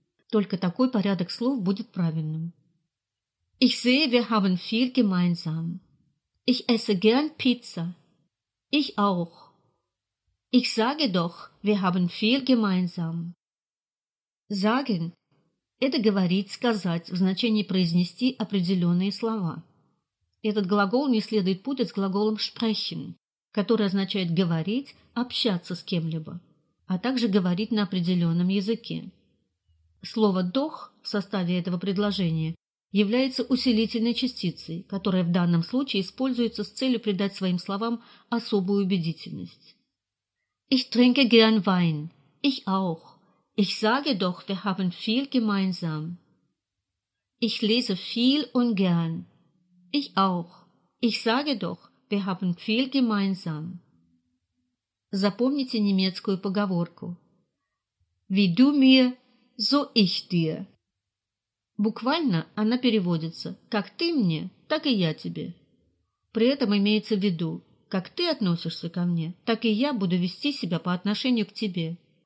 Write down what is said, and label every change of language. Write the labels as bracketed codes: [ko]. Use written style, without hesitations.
[ru] Только такой порядок слов будет правильным. [de] «Ich sehe, wir haben viel gemeinsam». «Ich esse gern Pizza». «Ich auch». «Ich sage doch, wir haben viel gemeinsam». [ru] «Sagen» – это говорить, сказать, в значении произнести определенные слова. Этот глагол не следует путать с глаголом «sprechen», который означает «говорить», «общаться с кем-либо», а также «говорить на определенном языке». Слово «дох» в составе этого предложения является усилительной частицей, которая в данном случае используется с целью придать своим словам особую убедительность. [de] Ich trinke gern Wein. Ich auch. Ich sage doch, wir haben viel gemeinsam. Ich lese viel und gern. Ich auch. Ich sage doch, wir haben viel gemeinsam. [ru] Запомните немецкую поговорку. [de] Wie du mir, so ich dir. [ru] Буквально она переводится «как ты мне, так и я тебе». При этом имеется в виду «как ты относишься ко мне, так и я буду вести себя по отношению к тебе».